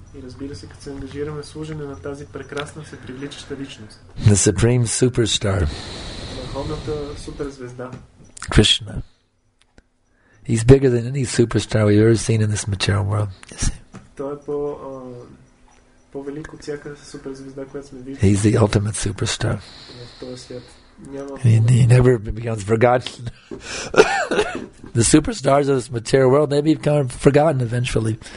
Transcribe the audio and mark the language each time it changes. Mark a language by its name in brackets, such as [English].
[Bulgarian] Разбира се, като се ангажираме в служене на тази прекрасна, се привличаща личност. [English] The supreme superstar. [Bulgarian] Върховната суперзвезда. [English] Krishna. He's bigger than any superstar we've ever seen in this material world. [Bulgarian] Той е по-велик от всяка суперзвезда, която сме виждали. [English] He's the ultimate superstar. [Bulgarian] В този свят. [English] He never becomes forgotten. The superstars of this material world, they become forgotten eventually.